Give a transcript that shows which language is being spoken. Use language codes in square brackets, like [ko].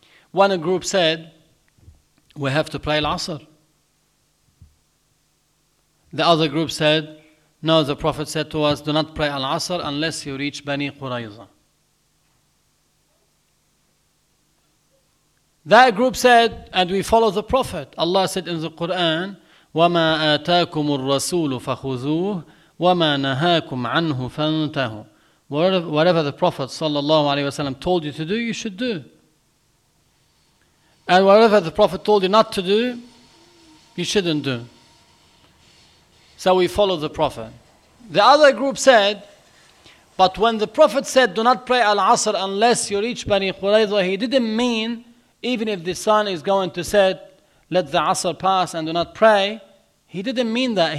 [en] One group said, we have to pray Al-Asr. The other group said, no, the Prophet said to us, do not pray Al-Asr unless you reach Bani Qurayza. That group said, and we follow the Prophet. Allah said in the Quran, [ar] وَمَا آتَاكُمُ الرَّسُولُ فَخُذُوهُ وَمَا نَهَاكُمْ عَنْهُ فَانْتَهُ. [en] Whatever the Prophet sallallahu alaihi wasallam told you to do, you should do. And whatever the Prophet told you not to do, you shouldn't do. So we follow the Prophet. The other group said, but when the Prophet said, do not pray Al-Asr unless you reach Bani Qurayza, he didn't mean, even if the sun is going to set, let the Asr pass and do not pray. He didn't mean that.